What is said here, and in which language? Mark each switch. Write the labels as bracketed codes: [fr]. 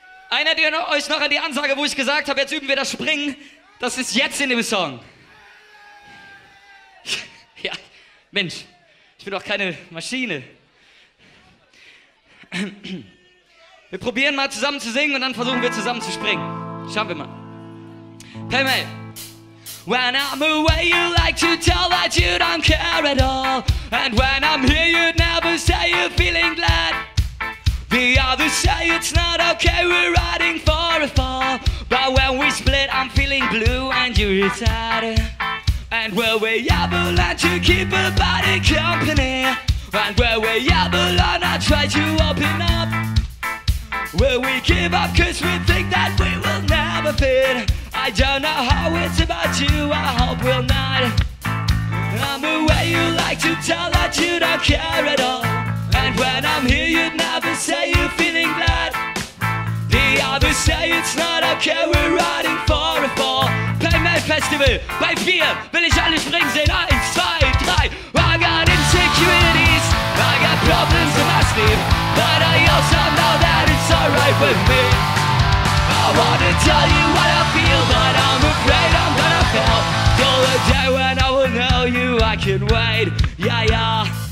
[de] Einer, der euch noch an die Ansage, wo ich gesagt habe, jetzt üben wir das Springen, das ist jetzt in dem Song. Ja, Mensch, ich bin doch keine Maschine. Wir probieren mal zusammen zu singen und dann versuchen wir zusammen zu springen. Schauen wir mal. Hey, mal. [en] When I'm away, you like to tell that you don't care at all. And when I'm here, you never say you're feeling glad. The others say it's not okay, we're riding for a fall. But when we split, I'm feeling blue and you're sad. And will we ever learn to keep a body company? And will we ever learn to try to open up? Will we give up cause we think that we will never fit? I don't know how it's about you, I hope we'll not. I'm the way you like to tell that you don't care at all. And when I'm here, you'd never say you're feeling glad. The others say it's not okay, we're riding for a fall. [de] Playmate Festival, bei vier will ich alle springen sehen. Eins, zwei, drei. [en] I got insecurities, I got problems in my sleep. But I also know that it's alright with me. I wanna tell you what I feel, but I'm afraid I'm gonna fail. Till the day when I will know you, I can wait. Yeah, yeah.